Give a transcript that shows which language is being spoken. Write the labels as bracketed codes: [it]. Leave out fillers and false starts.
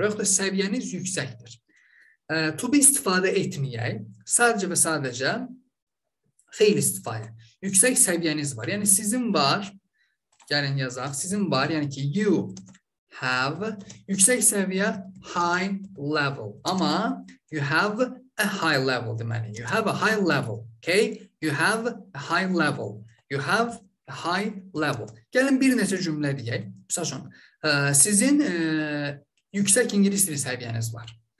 [az] Yoxsa səviyyəniz yüksəkdir. To be istifadə etməyək, sadəcə və sadəcə fail istifadə. Yüksək səviyyəniz var, yəni sizin var, gəlin yazaq, sizin var, yəni ki, you have, yüksək səviyyə high level, amma you have a high level deməli, [en] you have a high level, okay? You have a high level, you have a high level. [az] Gəlin bir neçə cümlə deyək, Saşon, sizin yüksək ingilis dili səviyyəniz var.